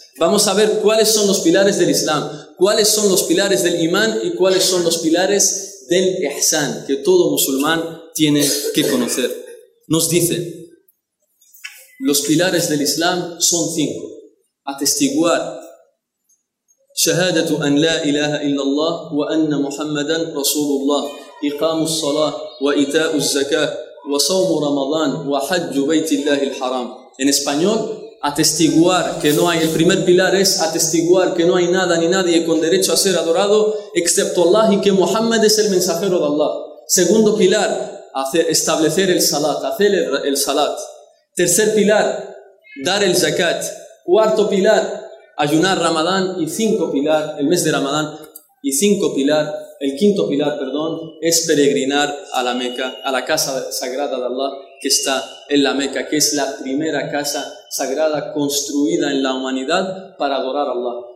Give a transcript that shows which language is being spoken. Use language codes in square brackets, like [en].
[es] Vamos a ver cuáles son los pilares del Islam, cuáles son los pilares del imán y cuáles son los pilares del ihsan, que todo musulmán tiene que conocer. Nos dice, los pilares del Islam son cinco. Atestiguar. [ar] شهادة أن لا إله إلا الله وأن محمدا رسول الله إقام الصلاة وإيتاء الزكاة وصوم رمضان وحج بيت الله الحرام. [es] En español, atestiguar que no hay, el primer pilar es atestiguar que no hay nada ni nadie con derecho a ser adorado excepto Allah y que Muhammad es el mensajero de Allah. Segundo pilar, establecer el salat, hacer el salat. Tercer pilar, dar el zakat. Cuarto pilar, ayunar Ramadán, y cinco pilar, el mes de Ramadán, y cinco pilar, el quinto pilar, perdón, es peregrinar a la Meca, a la casa sagrada de Allah, que está en la Meca, que es la primera casa sagrada construida en la humanidad para adorar a Allah.